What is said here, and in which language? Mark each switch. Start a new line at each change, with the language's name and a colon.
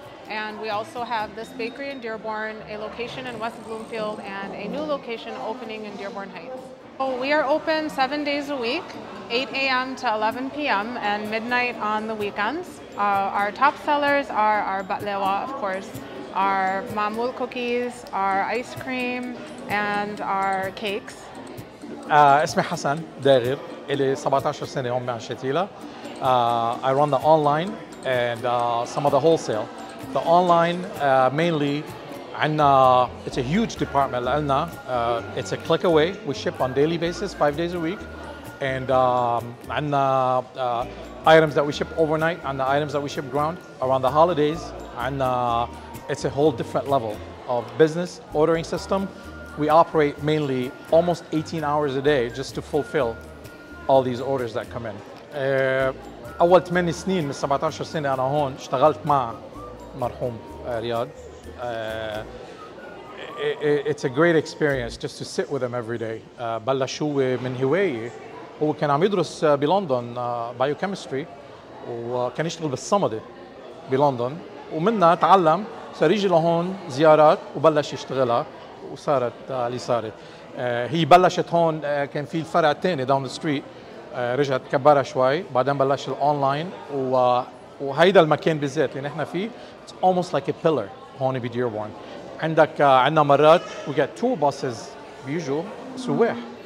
English: And we also have this bakery in Dearborn, a location in West Bloomfield, and a new location opening in Dearborn Heights. So we are open 7 days a week, 8 a.m. to 11 p.m. and midnight on the weekends. Our top sellers are our baklawa, of course, our maamoul cookies, our ice cream, and our cakes.
Arabic: اسمي حسن داغر، إلي 17 سنة عم بعمل شتيلة.
English: I run the online and some of the wholesale. The online mainly
Arabic: عنا
English: it's a huge department
Arabic: لنا.
English: It's a click away. We ship on daily basis, 5 days a week. And
Arabic: عنا
English: items that we ship overnight, عنا items that we ship ground around the holidays.
Arabic: عنا
English: it's a whole different level of business ordering system. We operate mainly almost 18 hours a day just to fulfill all these orders that come in.
Arabic: أول 8 سنين من 17 سنة أنا هون اشتغلت مع مرحوم رياض.
English: It's a great experience just to sit with him every day.
Arabic: بلش هو من هواية. هو كان عم يدرس بلندن biochemistry وكان يشتغل بالصمدة بلندن ومنها تعلم صار يجي لهون زيارات وبلش يشتغلها وصارت اللي صارت. هي بلشت هون كان في الفرع الثاني
English: down the street
Arabic: رجعت كبرها شوي بعدين بلشت الاونلاين وهيدا المكان بالذات اللي نحن فيه
English: it's almost like a pillar
Arabic: هون بديربورن عندك عندنا مرات
English: we got tour buses
Arabic: بيجوا سواح